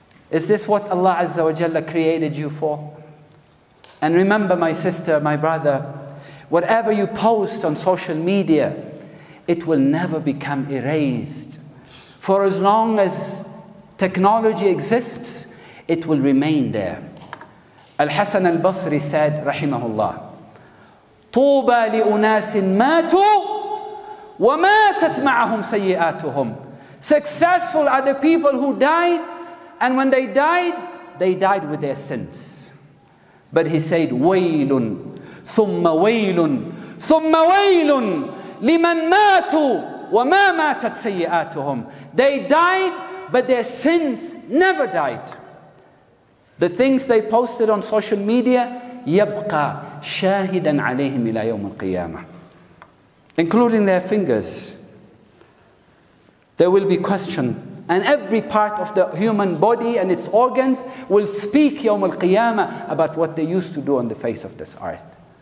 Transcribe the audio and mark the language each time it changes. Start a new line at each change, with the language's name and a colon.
English: Is this what Allah Azza wa Jalla created you for? And remember, my sister, my brother, whatever you post on social media, it will never become erased. For as long as technology exists, it will remain there. Al-Hasan al-Basri said,
Arabic: rahimahullah, طُوبَى لِأُنَاسٍ مَاتُوا وَمَاتَتْ مَعَهُمْ سَيِّئَاتُهُمْ.
English: Successful are the people who died, and when they died with their sins. But he said,
Arabic: وَيْلٌ ثُمَّ وَيْلٌ ثُمَّ وَيْلٌ لِمَنْ مَاتُوا وَمَا مَاتَتْ سَيِّئَاتُهُمْ.
English: They died, but their sins never died. The things they posted on social media,
Arabic: يَبْقَى شَاهِدًا عَلَيْهِمْ إِلَى يَوْمِ الْقِيَامَةِ.
English: Including their fingers. There will be question, and every part of the human body and its organs will speak يَوْمَ الْقِيَامَةِ about what they used to do on the face of this earth.